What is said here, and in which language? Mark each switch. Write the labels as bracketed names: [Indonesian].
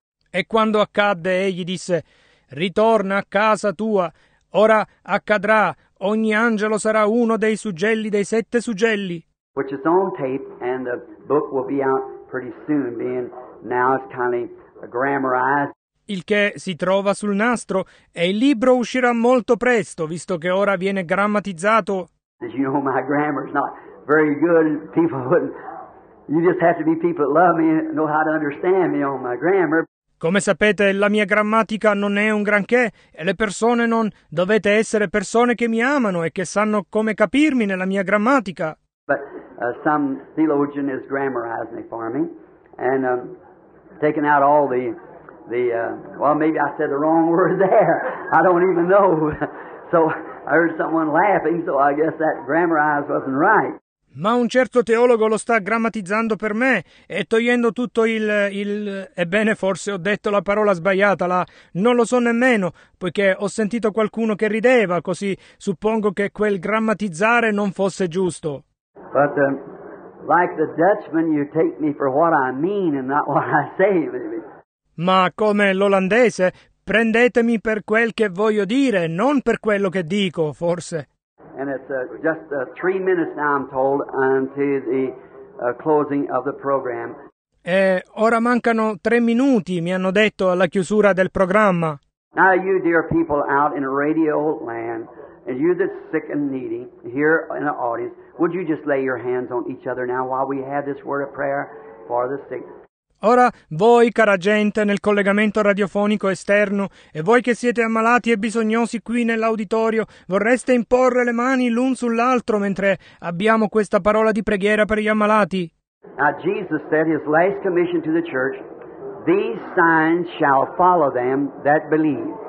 [Italian] E quando accadde, egli disse, ritorna a casa tua, ora accadrà, ogni angelo sarà uno dei suggelli, dei 7 suggelli. [English] Which is on tape, and the book will be out pretty soon, being now it's kind of grammarized. [Italian] Il che si trova sul nastro, e il libro uscirà molto presto, visto che ora viene grammatizzato. [English] As you know, my grammar is not very good, and people wouldn't... You just have to be people that love me and know how to understand me on my grammar. [Italian] Come sapete, la mia grammatica non è un granché, e le persone non... Dovete essere persone che mi amano e che sanno come capirmi nella mia grammatica. [English] But some theologian is grammarizing it for me, and taking out all well, maybe I said the wrong word there. I don't even know. So... I heard someone laughing, so I guess that grammarized wasn't right. [Italian] Ma un certo teologo lo sta grammatizzando per me e togliendo tutto il ebbene, forse ho detto la parola sbagliata, la non lo so nemmeno, poiché ho sentito qualcuno che rideva, così suppongo che quel grammatizzare non fosse giusto. [English] But like the Dutchman, you take me for what I mean and not what I say, maybe. [Italian] Ma come l'olandese, prendetemi per quel che voglio dire, non per quello che dico, forse. [English] And it's just 3 minutes now, I'm told, until the closing of the program. [Italian] E ora mancano 3 minuti, mi hanno detto, alla chiusura del programma. [English] Now you dear people out in radio land, and you that's sick and needy, here in the audience, would you just lay your hands on each other now while we have this word of prayer for the sick? [Italian] Ora, voi, cara gente, nel collegamento radiofonico esterno, e voi che siete ammalati e bisognosi qui nell'auditorio, vorreste imporre le mani l'un sull'altro mentre abbiamo questa parola di preghiera per gli ammalati? [English] Now, Jesus said his last commission to the church, these signs shall follow them that believe.